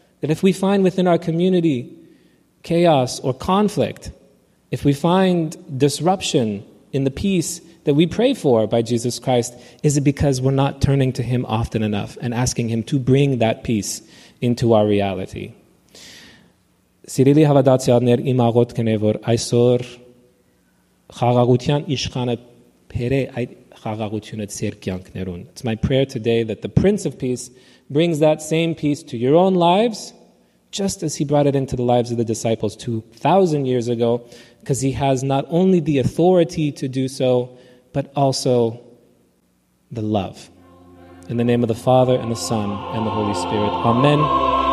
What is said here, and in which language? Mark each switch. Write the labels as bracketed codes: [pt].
[en] That if we find within our community chaos or conflict, if we find disruption in the peace that we pray for by Jesus Christ, is it because we're not turning to him often enough and asking him to bring that peace into our reality? [hy] Սիրելի հավատացյալներ, իմ աղոթքն է, որ այսօր խաղաղության իշխանը բերե այդ խաղաղությունը ձեր կյանքներուն. [en] It's my prayer today that the Prince of Peace brings that same peace to your own lives, just as he brought it into the lives of the disciples 2,000 years ago, because he has not only the authority to do so, but also the love. In the name of the Father, and the Son, and the Holy Spirit. Amen.